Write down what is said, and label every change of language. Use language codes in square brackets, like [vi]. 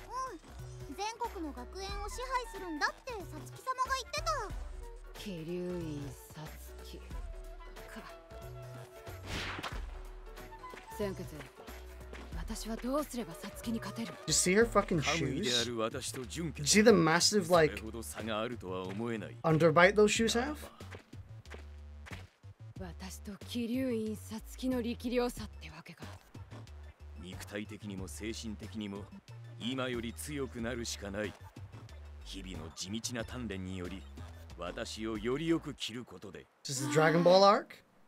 [ja] うん、全国の学園を支配するんだってサツキ様が言ってた。キリュウイサツキか。先決、私はどうすればサツキに勝てる。 [en] You see her fucking shoes? You see the massive, like, underbite those shoes have? [ja] 私とキリュウインサツキの力量差ってわけか。肉体的にも精神的にも今より強くなるしかない。日々の地道な鍛錬により私をよりよく切ることで。 [en] This is the Dragon Ball arc?